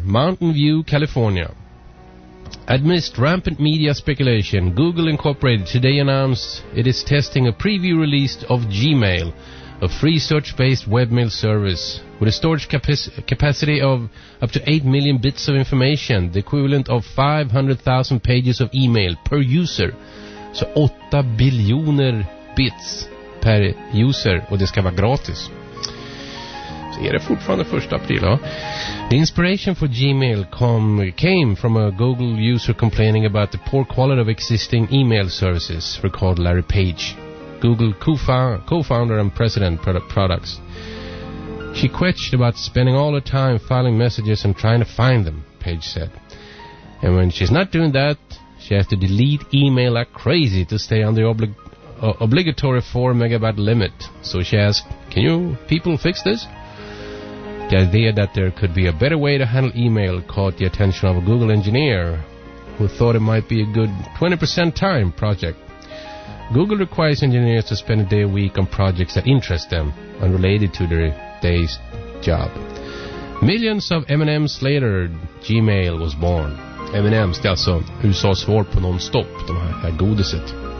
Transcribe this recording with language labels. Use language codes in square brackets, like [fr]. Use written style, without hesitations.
[en] Mountain View, California. Amidst rampant media speculation, Google Incorporated today announced it is testing a preview release of Gmail, a free search-based webmail service with a storage capacity of up to 8 million bits of information, the equivalent of 500,000 pages of email per user. [sv] Så 8 biljoner bits per user, och det ska vara gratis. Är det fortfarande 1 april, ja? [en] The inspiration for Gmail came from a Google user complaining about the poor quality of existing email services, recalled Larry Page, Google co-founder and president products. She quetched about spending all her time filing messages and trying to find them, Page said. And when she's not doing that, she has to delete email like crazy to stay on the obligatory 4 megabyte limit. So she asked, can you people fix this? The idea that there could be a better way to handle email caught the attention of a Google engineer who thought it might be a good 20% time project. Google requires engineers to spend a day a week on projects that interest them, unrelated to their day's job. Millions of M&Ms later, Gmail was born. [sv] M&Ms, det är alltså USA:s svar på non-stop, de här godiset.